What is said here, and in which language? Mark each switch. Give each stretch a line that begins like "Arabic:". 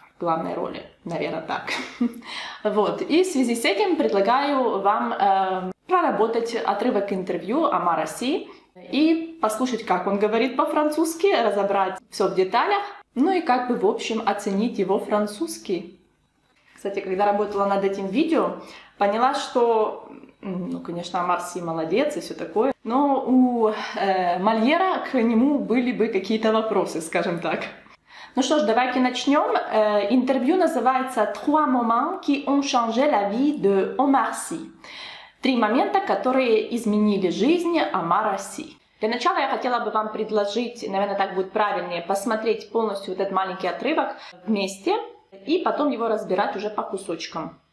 Russian: Главной роли, наверное, так. Вот, и в связи с этим предлагаю вам проработать отрывок интервью Амара Си и послушать, как он говорит по-французски, разобрать все в деталях, ну и как бы, в общем, оценить его французский. Кстати, когда работала над этим видео, поняла, что, ну, конечно, Амар Си молодец и все такое, но у Мольера к нему были бы какие-то вопросы, скажем так. Ну что ж, давайте начнем. Интервью называется
French: «Trois moments qui ont changé la vie de Omar Sy».
Russian: Три момента, которые изменили жизнь Омара Си. Для начала я хотела бы вам предложить, наверное, так будет правильнее, посмотреть полностью вот этот маленький отрывок вместе и потом его разбирать уже по кусочкам.